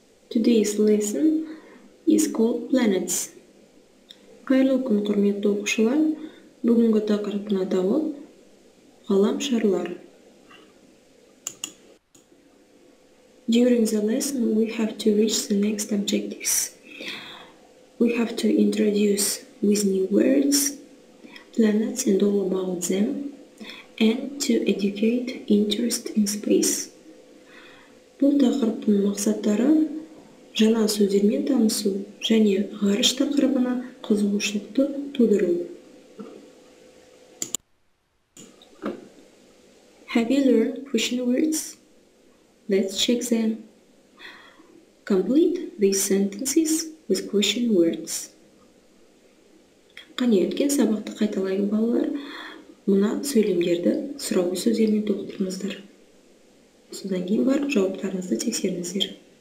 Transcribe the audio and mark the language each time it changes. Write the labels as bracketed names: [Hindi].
[English] Today's lesson is called Planets. [Kazakh] Қайырлы күн, құрметті оқушылар. Бүгінгі тақырыптың атауы ғалам шарлары. [English] During the lesson, we have to reach the next objectives. We have to introduce with new words planets and all about them, and to educate interest in space. [Kazakh] Бұл тақырыптың мақсаттары жаңа сөздермен танысу және ғарыш тақырыбына қызығушылықты тудыру. [English] Have you learned question words? Let's check them. Complete these sentences with question words. [Kazakh] Қане, өткен сабақты қайталайын балалар. Мына сөйлемдерді сұрау сөздермен толықтырыңыздар. Содан кейін барып жауаптарыңызды тексеріңіздер.